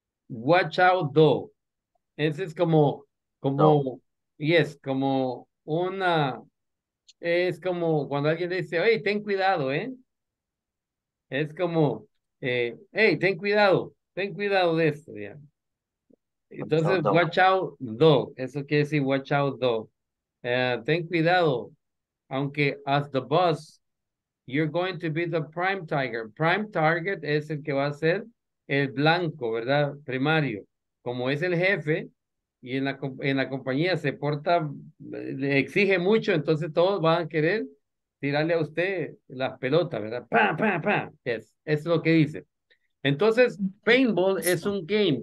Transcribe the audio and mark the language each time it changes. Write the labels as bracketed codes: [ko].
[es] Ese es como una, es como cuando alguien dice, hey, ten cuidado, ¿eh? Es como, hey, ten cuidado de esto, ¿ya? Entonces, [en] watch out, though, [es] eso quiere decir [en] watch out, though. [es] Ten cuidado, aunque [en] as the boss, you're going to be the prime target. Prime target [es] es el que va a ser el blanco, ¿verdad? Primario, como es el jefe. Y en la compañía se porta, le exige mucho, entonces todos van a querer tirarle a usted las pelotas, ¿verdad? ¡Pam, pam, pam! [en] Yes, [es] es lo que dice. Entonces, paintball es un game.